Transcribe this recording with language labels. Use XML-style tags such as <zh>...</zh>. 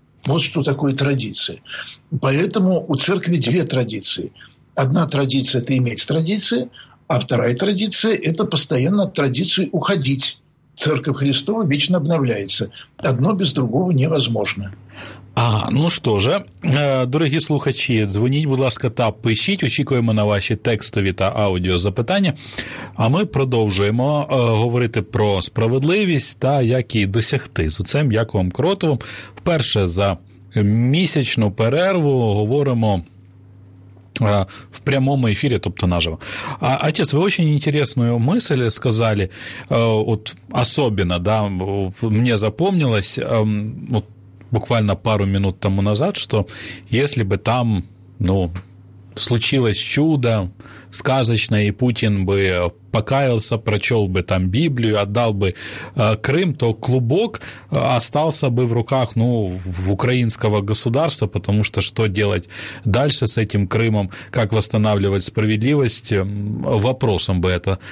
<ru>Вот что такое традиция. Поэтому у церкви 2 традиции. Одна традиция – это иметь традиции, а вторая традиция – это постоянно от традиции уходить. Церковь Христова вечно обновляется. Одно без другого невозможно.</ru> <uk>А, ну что же, дорогі слухачі, дзвоніть, будь ласка, та пишіть, очікуємо на ваші текстові та аудіозапитання, а ми продовжуємо говорити про справедливість та як її досягти з оцим Яковом Кротовим. Вперше за місячну перерву говоримо в прямому ефірі, тобто наживо. Отец, ви дуже інтересну мисль сказали, от особливо, да, мені запомнилось, от, буквально пару минут тому назад, что если бы там, ну,</uk> <ru>случилось чудо сказочное, и Путин бы покаялся, прочел бы там Библию, отдал бы Крым, то клубок остался бы в руках, ну, в украинского государства, потому что что делать дальше с этим Крымом, как восстанавливать справедливость, вопросом бы это</ru>